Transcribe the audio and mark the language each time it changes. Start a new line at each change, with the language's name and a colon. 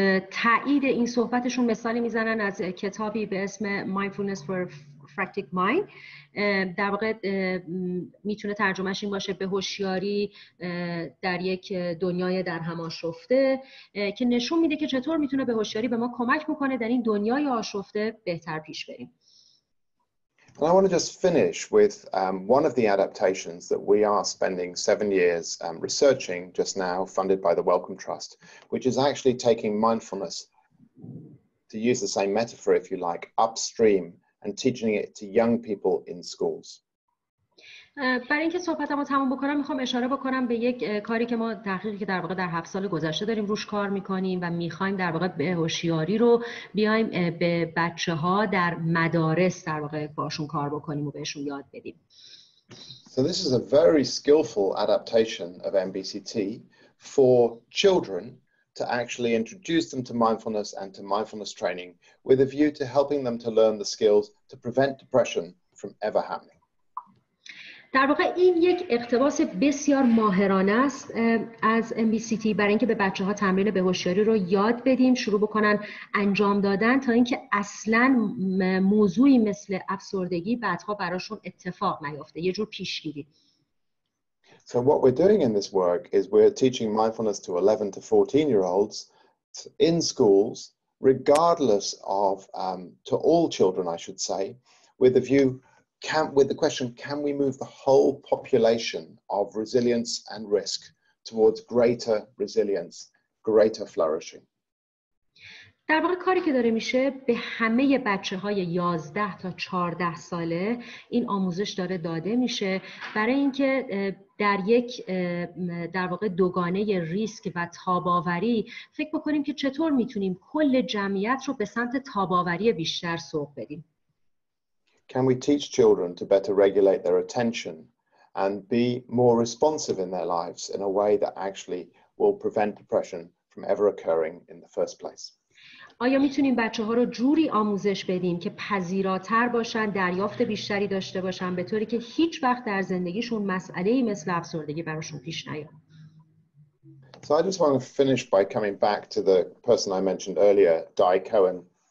Persian: تایید این صحبتشون مثالی میزنن از کتابی به اسم Mindfulness for Frantic Mind. در واقع میتونه ترجمهش این باشه به هوشیاری در یک دنیای در هم آشفته، که نشون میده که چطور میتونه به هوشیاری به ما کمک میکنه در این دنیای آشفته بهتر پیش بریم.
English: And I want to just finish with one of the adaptations that we are spending 7 years researching just now, funded by the Wellcome Trust, which is actually taking mindfulness, to use the same metaphor, if you like, upstream and teaching it to young people in schools.
Persian: برای اینکه صحبتمو تمام بکنم میخوام اشاره بکنم به یک کاری که ما تحقیقی که در واقع در 7 سال گذشته داریم روش کار میکنیم و میخوایم در واقع به هوشیاری رو بیایم به بچه‌ها در مدارس در واقع باشون کار بکنیم و بهشون یاد بدیم.
English: So this is a very skillful adaptation of MBCT for children to actually introduce them to mindfulness and to mindfulness training with a view to helping them to learn the skills to prevent depression from ever happening.
Persian: در واقع این یک اقتباس بسیار ماهرانه است از MBCT برای اینکه به بچه‌ها تمرین به هوشیاری رو یاد بدیم شروع بکنن انجام دادن، تا اینکه اصلاً موضوعی مثل افسردگی بعدها براشون اتفاق نیفته، یه جور پیشگیری.
English: So what we're doing in this work is we're teaching mindfulness to 11 to 14 year olds in schools regardless of to all children I should say with a view with the question, can we move the whole population of resilience and risk towards greater resilience, greater flourishing?
Persian: در واقع کاری که داره میشه به همه بچه‌های 11 تا 14 ساله این آموزش داره داده میشه برای اینکه در یک در واقع دوگانه ریسک و تاباوری فکر بکنیم که چطور میتونیم کل جمعیت رو به سمت تاباوری بیشتر سوق بدیم.
English: Can we teach children to better regulate their attention and be more responsive in their lives in a way that actually will prevent depression from ever occurring in the first place?
Persian: آیا میتونیم بچه‌ها رو جوری آموزش بدیم که پذیراتر باشن، دریافت بیشتری داشته باشن به طوری که هیچ وقت در زندگیشون مسئله‌ای مثل افسردگی براشون پیش نیاد؟
English: So I just want to finish by coming back to the person I mentioned earlier, Di Cohen.